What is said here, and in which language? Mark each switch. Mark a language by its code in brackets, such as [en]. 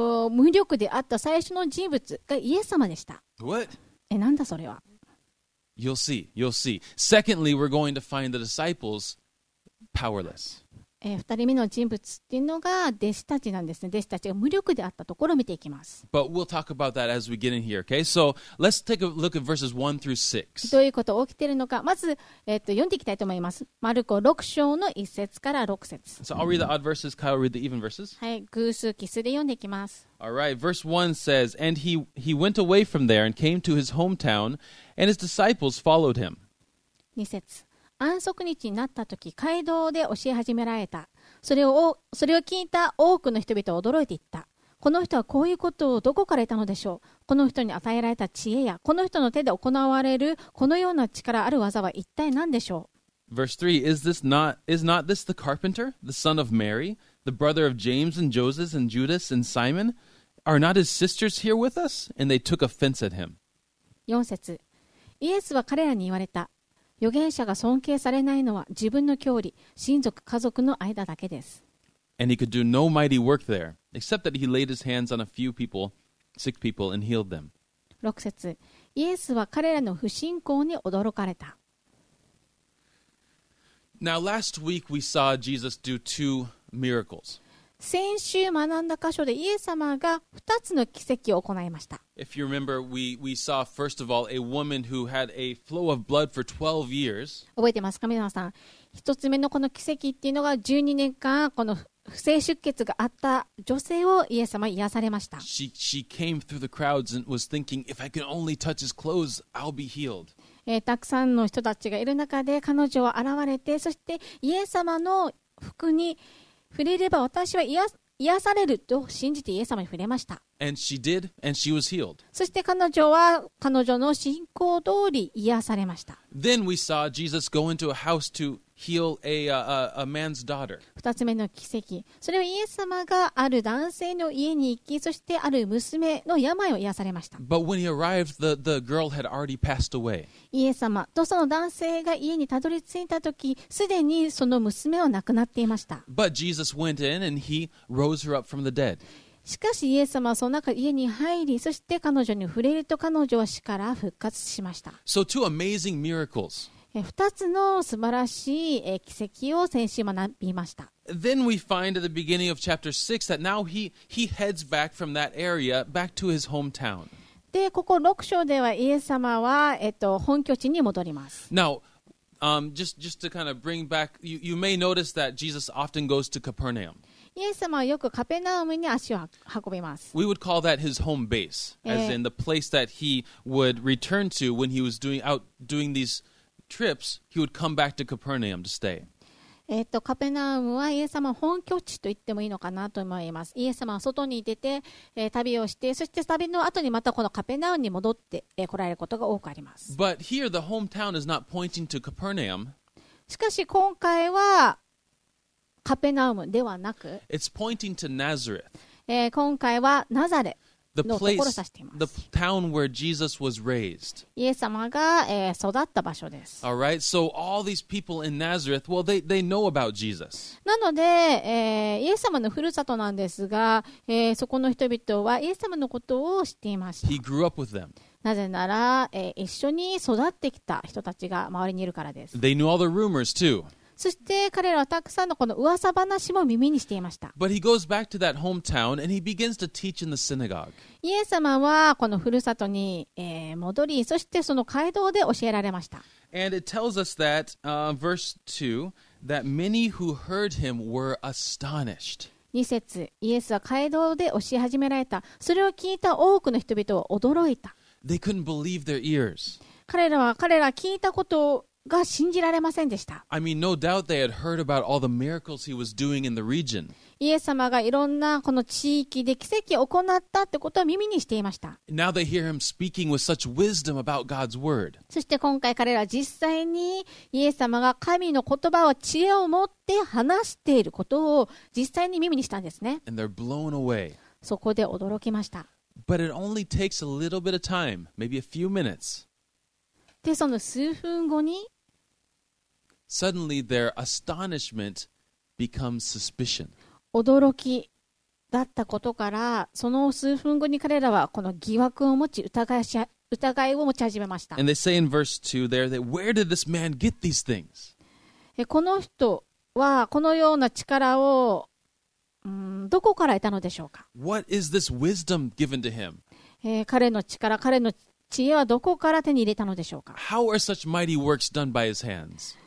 [ja] 無力であった最初の人物がイエス様でした。 [en] What? [ja] なんだそれは。 [en] You'll see, you'll see. Secondly, we're going to find the disciples powerless. [ja] 二人目の人物っていうのが弟子たちなんですね。弟子たちが無力であったところを見ていきます。 [en] But we'll talk about that as we get in here, okay? So let's take a look at verses 1 through 6. [ja] どういうことが起きているのか、まず、読んでいきたいと思います。マルコ6章の1節から6節。 [en] So I'll read the odd verses, Kyle will read the even verses. [ja] はい、偶数奇数で読んでいきます。 [en] All right, verse 1 says, And he went away from there and came to his hometown, and his disciples followed him. [ja] 2節。安息日になったとき、街道で教え始められた。それを聞いた多くの人々は驚いていった。この人はこういうことをどこから得たのでしょう。この人に与えられた知恵や、この人の手で行われるこのような力ある技は一体何でしょう。 [en] Verse 3, is not this the carpenter, the son of Mary, the brother of James and Joseph and Judas and Simon? Are not his sisters here with us? And they took offense at him. [ja] 4節、イエスは彼らに言われた。預言者が尊敬されないのは自分の郷里、親族、家族の間だけです。 [en] And he could do no mighty work there, except that he laid his hands on a few people, sick people, and healed them. [ja] 6節、イエスは彼らの不信仰に驚かれた。 [en] Now, last week we saw Jesus do two miracles. [ja] 先週学んだ箇所でイエス様が2つの奇跡を行いました。 [en] If you remember, we saw first of all a woman who had a flow of blood for 12 years. [ja] 覚えてますか、皆さん。一つ目のこの奇跡っていうのが12年間この不正出血があった女性をイエス様癒されました。 [en] She came through the crowds and was thinking, if I can only touch his clothes, I'll be healed. [ja] たくさんの人たちがいる中で彼女は現れて、そしてイエス様の服に触れれば私は癒されると信じてイエス様に触れました。 [en] And she did, and she was healed. [ja] そして彼女は彼女の信仰通り癒されました。 [en] Then we saw Jesus go into a house to heal a man's daughter. [ja] 2つ目の奇跡。それはイエス様がある男性の家に行き、そしてある娘の病を癒されました。 [en] But when he arrived, the girl had already passed away. [ja] イエス様とその男性が家にたどり着いた時、すでにその娘は亡くなっていました。 [en] But Jesus went in and he rose her up from the dead. [ja] しかしイエス様はその中家に入り、そして彼女に触れると彼女は死から復活しました。 [en] So two amazing miracles. [ja] 二つの素晴らしい奇跡を先週学びました。 [en] Then we find at the beginning of chapter 6 that now he heads back from that area back to his hometown. [ja] で、ここ6章ではイエス様は本拠地に戻ります。 [en] Now, just to kind of bring back, you may notice that Jesus often goes to Capernaum. [ja] イエス様はよくカペナウムに足を運びます。 [en] We would call that his home base, as in the place that he would return to when he was doing these trips. He would come back to Capernaum to stay. [ja] カペナウムはイエス様本拠地と言ってもいいのかなと思います。イエス様は外に出て、旅をして、そして旅の後にまたこのカペナウムに戻って、来られることが多くあります。 [en] But here the hometown is not pointing to Capernaum. [ja] しかし今回はカペナウムではなく、 [en] It's pointing to Nazareth. [ja] 今回はナザレのところを指しています。 [en] The town where Jesus was raised. [ja] イエス様が、育った場所です。 [en] All right, so all these people in Nazareth, well, they know about Jesus. [ja] なので、イエス様のふるさとなんですが、そこの人々はイエス様のことを知っていました。 [en] He grew up with them. [ja] なぜなら、一緒に育ってきた人たちが周りにいるからです。 [en] They knew all the rumors too. [ja] そして彼らはたくさんのこの噂話も耳にしていました。 [en] But he goes back to that hometown and he begins to teach in the synagogue. [ja] イエス様はこのふるさとに戻り、そしてその街道で教えられました。 [en] And it tells us that, verse 2, that many who heard him were astonished. [ja] 2節、イエスは街道で教え始められた。それを聞いた多くの人々は驚いた。 [en] They couldn't believe their ears. [ja] 彼らは聞いたことをが信じられませんでした。 [en] I mean, no doubt they had heard about all the miracles he was doing in the region. [ja] イエス様がいろんなこの地域で奇跡を行ったってことを耳にしていました。 [en] Now they hear him speaking with such wisdom about God's word. [ja] そして今回彼ら実際にイエス様が神の言葉を知恵を持って話していることを実際に耳にしたんですね。 [en] And they're blown away. [ja] そこで驚きました。 [en] But it only takes a little bit of time, maybe a few minutes. [ja] でその数分後に [en] Suddenly their astonishment becomes suspicion. [ja] 驚きだったことからその数分後に彼らはこの疑惑を持ち疑いを持ち始めました。 [en] And they say in verse 2 there that where did this man get these things? [ja] この人はこのような力をどこから得たのでしょうか? [en] What is this wisdom given to him? [ja] 彼の知恵はどこから手に入れたのでしょうか? [en] How are such mighty works done by his hands?